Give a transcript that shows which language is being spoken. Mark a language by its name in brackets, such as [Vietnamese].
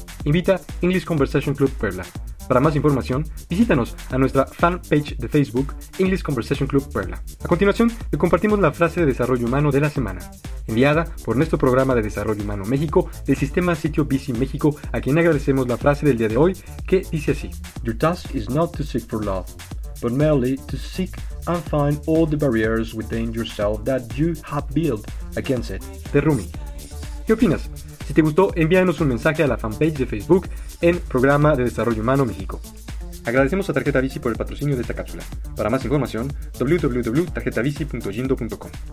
[Spanish] Invita English Conversation Club Puebla. Para más información, visítanos a nuestra fanpage de Facebook, English Conversation Club Puebla. A continuación, le compartimos la frase de desarrollo humano de la semana, enviada por nuestro programa de desarrollo humano México del Sistema Sitio Bici México, a quien agradecemos la frase del día de hoy, que dice así: [English] Your task is not to seek for love, but merely to seek and find all the barriers within yourself that you have built against it. [Spanish] De Rumi. ¿Qué opinas? Si te gustó, envíanos un mensaje a la fanpage de Facebook en Programa de Desarrollo Humano México. Agradecemos a Tarjeta Bici por el patrocinio de esta cápsula. Para más información, www.tarjetabici.yindo.com.